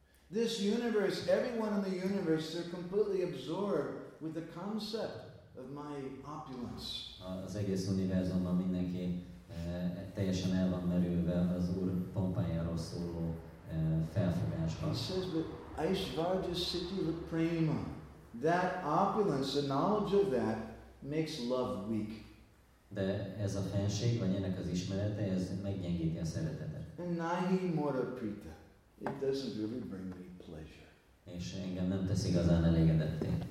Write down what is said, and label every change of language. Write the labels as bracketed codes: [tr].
[en] This universe, everyone in the universe, they're completely absorbed with the concept of my opulence. [hu] Az egész univerzumban mindenki teljesen el van merülve az Úr pompájáról szóló felfogásban. [en] He says, but [sa] Aishvarya Siddhi Prema, [en] that opulence, the knowledge of that, makes love weak. [hu] De ez a fenség, vagy ennek az ismerete, ez meggyengíti a szeretetet. [en] And [bn] nahi mora prita. [en] It doesn't really bring me pleasure. [hu] És engem nem tesz igazán elégedetté.